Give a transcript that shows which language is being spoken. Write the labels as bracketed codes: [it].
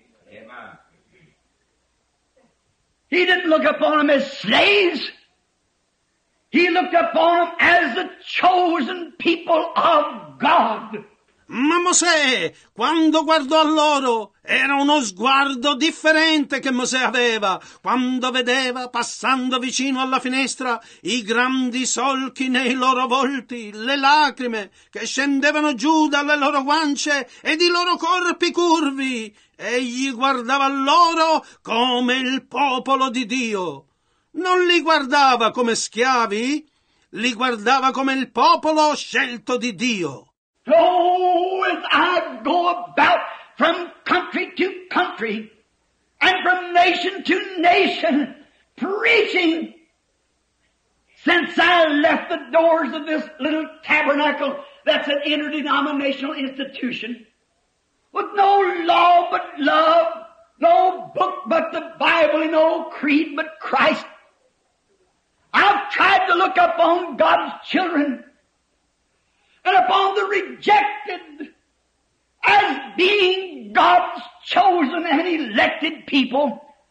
[en] Amen. He didn't look upon them as slaves. He looked upon them as the chosen people of God. [it] Ma Mosè, quando guardò a loro, era uno sguardo differente che Mosè aveva quando vedeva, passando vicino alla finestra, i grandi solchi nei loro volti, le lacrime che scendevano giù dalle loro guance e i loro corpi curvi. Egli guardava loro come il popolo di Dio. Non li guardava come schiavi, li guardava come il popolo scelto di Dio. [en] Oh, as I go about from country to country and from nation to nation preaching, since I left the doors of this little tabernacle that's an interdenominational institution, with no law but love, no book but the Bible, and no creed but Christ, I've tried to look upon God's children and upon the rejected as being God's chosen and elected people.